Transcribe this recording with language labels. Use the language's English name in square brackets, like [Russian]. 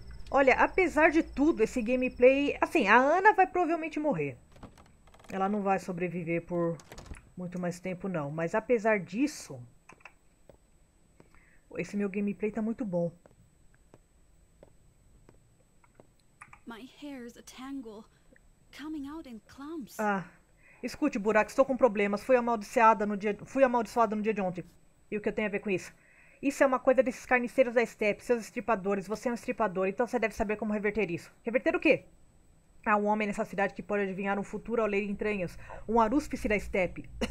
[Portuguese] Olha, apesar de tudo, esse gameplay. Assim, a Ana vai provavelmente morrer. Ela não vai sobreviver por muito mais tempo, não. Mas apesar disso, esse meu gameplay tá muito bom. [English] My hair's a tangle, coming out in clumps. Ah. [Portuguese] Escute, Burak, estou com problemas. Fui amaldiçoada no dia de ontem. E o que eu tenho a ver com isso? Isso é uma coisa desses carniceiros da estepe, seus estripadores. Você é um estripador, então você deve saber como reverter isso. Reverter o quê? Há um homem nessa cidade que pode adivinhar um futuro ao ler entranhas. Um arúspice da estepe.